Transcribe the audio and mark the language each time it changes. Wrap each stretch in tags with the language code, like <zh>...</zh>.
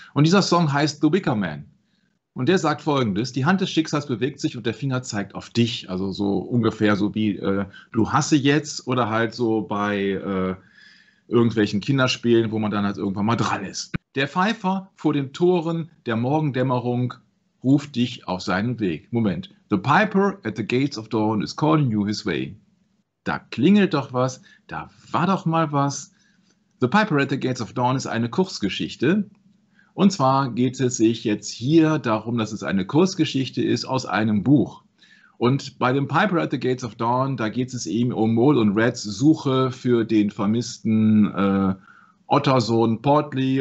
<de>Und dieser Song heißt The Wicker Man. Und der sagt folgendes, die Hand des Schicksals bewegt sich und der Finger zeigt auf dich. Also so ungefähr so wie du hasse jetzt oder halt so bei irgendwelchen Kinderspielen, wo man dann halt irgendwann mal dran ist. Der Pfeifer vor den Toren der Morgendämmerung ruft dich auf seinen Weg. Moment.</de> <en>The Piper at the Gates of Dawn is calling you his way.</en> <de>Da klingelt doch was, da war doch mal was. The Piper at the Gates of Dawn ist eine Kurzgeschichte. Und zwar geht es sich jetzt hier darum, dass es eine Kurzgeschichte ist aus einem Buch. Und bei dem Piper at the Gates of Dawn, da geht es eben um Mole und Reds Suche für den vermissten Ottersohn Portly.</de>